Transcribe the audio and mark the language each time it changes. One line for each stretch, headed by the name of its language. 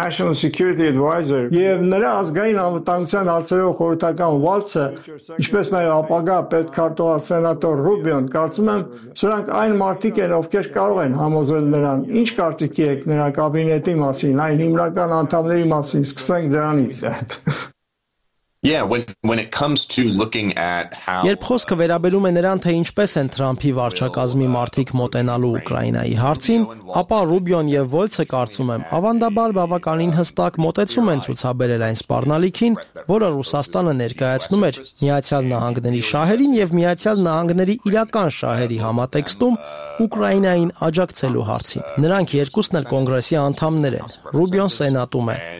Armenian: Եվ նրա ազգային անվտանգության հարցերով խորհրդական Վալցը, ինչպես նաև ապագա պետքարտուղար սենատոր Ռուբիոն, կարծում եմ, սրանք այն մարդիկ են, ովքեր կարող են համոզել նրան։ Ինչ կարծիքի եք նրա կաբինետի մասին, այն հիմնական անդամների մասին, սկսենք դրանից։
English: Yeah, when it comes to looking at how
Armenian: Երբ խոսքը վերաբերում է նրան, թե ինչպես են Թրամփի վարչակազմի մարդիկ մոտենալու Ուկրաինայի հարցին, ապա Ռուբիոն եւ Վոլցը, կարծում եմ, ավանդաբար բավականին հստակ մոտեցում են ցուցաբերել այն սպառնալիքին, որը Ռուսաստանը ներկայացնում էր Միացյալ Նահանգների շահերին եւ Միացյալ Նահանգների իրական շահերի համատեքստում Ուկրաինային աջակցելու հարցին։ Նրանք երկուսն էլ կոնգրեսի անդամներ են։ Ռուբիոն սենատում է,